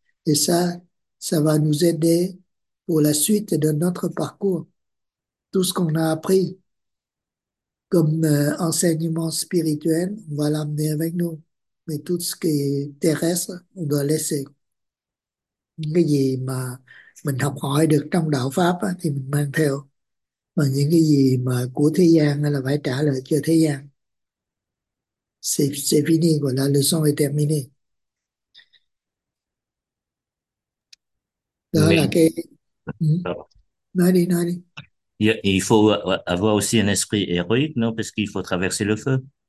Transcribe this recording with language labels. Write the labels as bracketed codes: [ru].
[fr] Et ça va nous aider pour la suite de notre parcours. Tout ce qu'on a appris comme enseignement spirituel, on va l'amener avec nous. Mais tout ce qui est terrestre, on doit laisser. [vi] Cái gì mà mình học hỏi được trong đạo Pháp á, thì mình mang theo. Mà những cái gì mà của thế gian là phải trả lại cho thế gian. [fr] C'est fini, [vi] gọi là [fr] leçon est terminée. [vi] Đó là [fr] Oui. [vi] cái... [fr] Alors, [vi] Nói đi, nói đi. [fr] il faut avoir aussi un esprit héroïque, non? Parce qu'il faut traverser le feu.